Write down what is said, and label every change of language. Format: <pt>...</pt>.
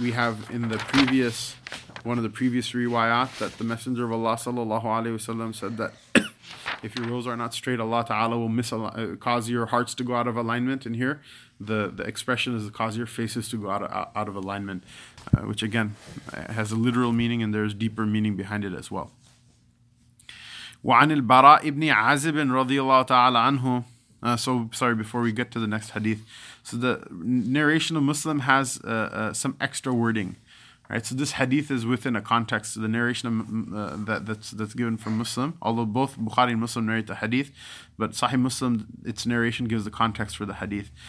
<en>We have in the previous, one of the previous riwayat, that the Messenger of Allah sallallahu alayhi wa sallam said that if your rows are not straight, Allah ta'ala will cause your hearts to go out of alignment. And here, the expression is to cause your faces to go out of alignment, which again has a literal meaning and there's deeper meaning behind it as well.</en> <ar>وعن البراء ابن عازب رضي الله تعالى عنه.</ar> <en>Sorry, before we get to the next hadith. So the narration of Muslim has some extra wording. Right, so this hadith is within a context of the narration of, that's given from Muslim. Although both Bukhari and Muslim narrate the hadith, but Sahih Muslim, its narration gives the context for the hadith.</en>